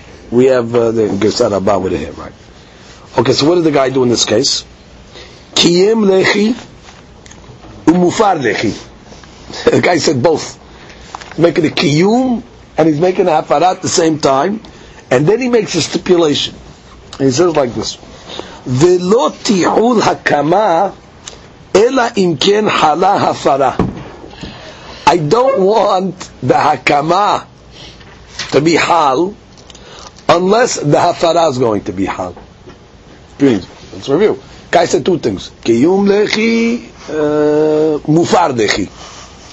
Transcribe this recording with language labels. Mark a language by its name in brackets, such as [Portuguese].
[English] We have the Gersa Rava with him, right? Okay, so what did the guy do in this case? [Hebrew] Kiyem lechi umufar lechi. [English] The guy said both. He's making a kiyum and he's making a hafara at the same time. And then he makes a stipulation. And he says like this. [Hebrew] ולא תיעול הקמה אלא אם כן חלה הפרה. [English] I don't want the hakama to be hal unless the hafara is going to be hal. Please, let's review. Guy said two things. [Hebrew] Kiyum lechi, mufar lechi.